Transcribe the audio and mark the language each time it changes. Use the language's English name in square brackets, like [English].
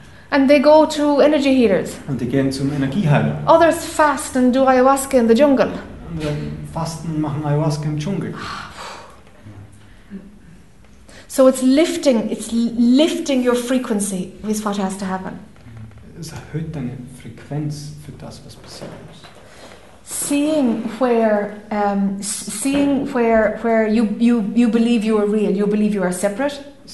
[English] and they go to energy healers. [German] Und die gehen zum Energieheiler. [English] Others fast and do ayahuasca in the jungle. [German] Andere fasten und machen Ayahuasca im Dschungel. [English] So it's lifting your frequency is what has to happen. [German] es erhöht deine Frequenz für das, was passiert ist. [English] Seeing where you believe you are real, you believe you are separate.